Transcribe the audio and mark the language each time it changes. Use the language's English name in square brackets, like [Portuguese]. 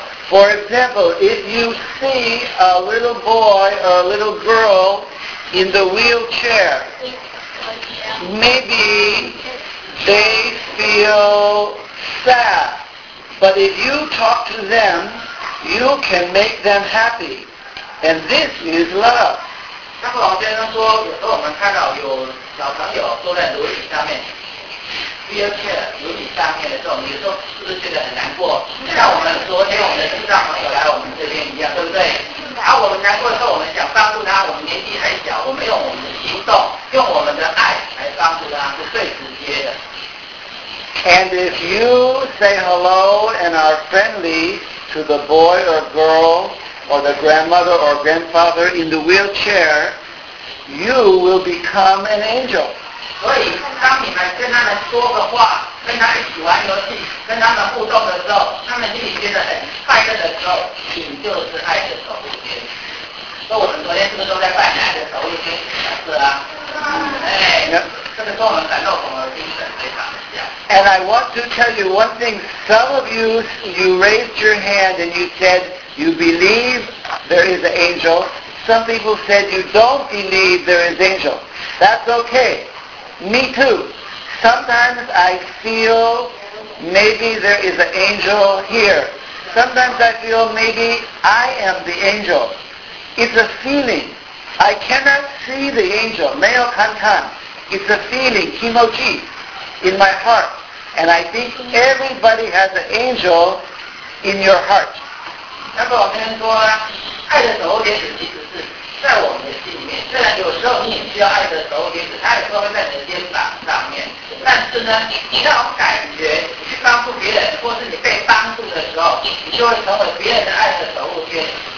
[English] For example, if you see a little boy or a little girl in the wheelchair, maybe they feel sad, but if you talk to them, you can make them happy, and this is love. [Chinese] 三部龙先生说，有时候我们看到有小朋友坐在轮椅上面， [English] And if you say hello and are friendly to the boy or girl or the grandmother or grandfather in the wheelchair, you will become an angel. [Chinese] 所以当你们跟他们说个话，跟他一起玩游戏，跟他们互动的时候，他们心里觉得很快乐的时候，你就是爱的守护天使。所以我们昨天是不是都在拜爱的守护天使？是啊。 [English] And I want to tell you one thing. Some of you, you raised your hand and you said you believe there is an angel. Some people said you don't believe there is an angel. That's okay. Me too. Sometimes I feel maybe there is an angel here. Sometimes I feel maybe I am the angel. It's a feeling. I cannot see the angel. [Chinese] 没有看看。 [English] It's a feeling, 気持ち, in my heart. And I think everybody has an angel in your heart. [Chinese] 那么我跟人说啊，爱的守护天使其实是在我们的心里面。虽然有时候你也需要爱的守护天使，他有时候会在你的肩膀上面。但是呢，你那种感觉，你去帮助别人，或是你被帮助的时候，你就会成为别人的爱的守护天使。